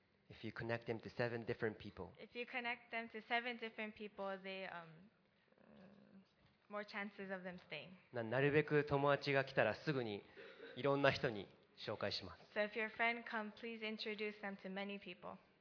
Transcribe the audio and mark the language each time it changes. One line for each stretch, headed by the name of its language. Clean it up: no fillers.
English: If you connect them to seven different people. If you connect them to seven different people, they more chances of them staying.
Japanese: なるべく友達が来たらすぐにいろんな人に。紹介します。
English: So if your friend come, please introduce them to many people.